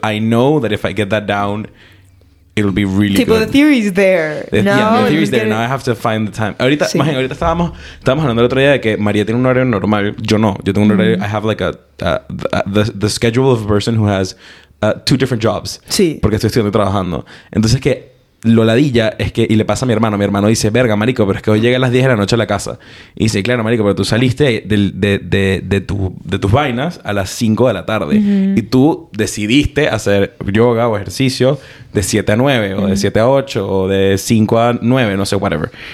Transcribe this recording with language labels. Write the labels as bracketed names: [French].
[English] I know that if I get that down, it'll be really [Spanish] tipo, [English] good. [Spanish] Tipo, [English] the theory's there. Now I have to find the time. [Spanish] Ahorita, sí. imagine, ahorita estábamos hablando el otro día de que María tiene un horario normal. Yo no. Yo tengo un horario... [English] Mm-hmm. I have like the schedule of a person who has two different jobs. [Spanish] Sí. Porque estoy estudiando y trabajando. Entonces, que lo ladilla es que... Y le pasa a mi hermano. Mi hermano dice, verga, marico, pero es que hoy llega a las 10 de la noche a la casa. Y dice, claro, marico, pero tú saliste de tus vainas a las 5 de la tarde. Mm-hmm. Y tú decidiste hacer yoga o ejercicio de 7 a 9 mm-hmm. o de 7 a 8 o de 5 a 9, no sé, whatever.